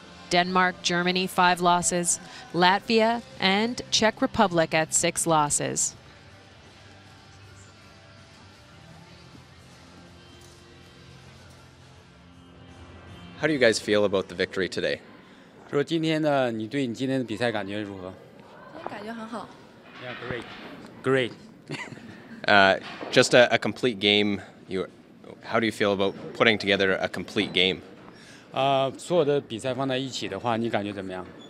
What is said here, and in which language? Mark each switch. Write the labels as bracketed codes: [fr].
[en] Denmark, Germany, five losses. Latvia and Czech Republic at six losses. How do you guys feel about the victory today? [zh] 说今天的你对你今天的比赛感觉如何? 感觉很好。 [en] Yeah, great. Great. just a complete game. How do you feel about putting together a complete game? [zh] 所有的比赛放在一起的话，你感觉怎么样?